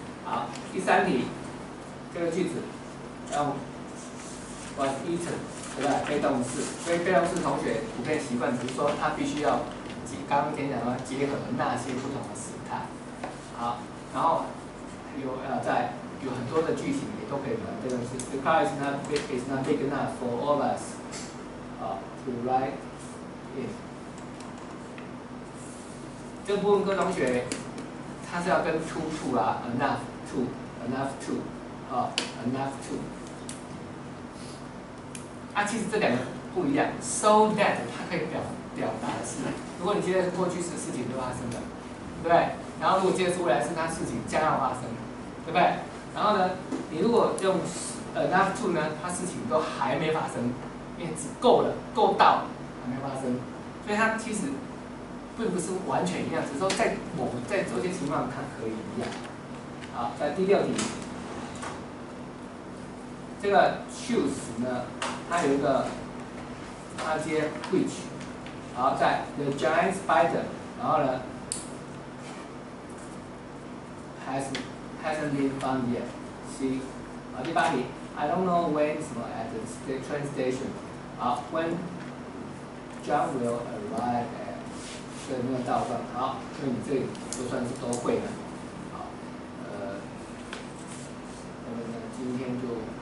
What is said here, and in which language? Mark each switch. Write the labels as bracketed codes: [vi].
[zh] 好，第三题，这个句子要 [en] was eaten。 [zh] 对不对？被动式，所以被动式同学普遍习惯，只是说他必须要刚刚讲了结合那些不同的时态。好，然后有很多的句型也都可以玩被动式。 [en] The car is not big enough for all of us， to ride in。 [zh] 这部分各同学，他是要跟 to 啦 ，enough to， 啊 ，enough to。啊，其实这两个不一样 ，so that 它可以表达的是，如果你接的是过去式，事情就发生了，对不对？然后如果接的是未来式，它事情将要发生了，对不对？然后呢，你如果用 enough to 呢，它事情都还没发生，因为只够了，够到了还没发生，所以它其实并不是完全一样，只是说在某在某些情况它可以一样。好，在第六题，这个 choose 呢？它有一个，它接 which， 然后在 [en] the giant spider， [zh] 然后呢 [en] hasn't been found yet。 [zh] 好，第八题 ， [en] I don't know when [zh] 什么 [en] at the train station， [zh] 好 ， [en] when John will arrive at， [zh] 所以没有到站。好，所以你这里就算是都会了。好，那么呢，今天就。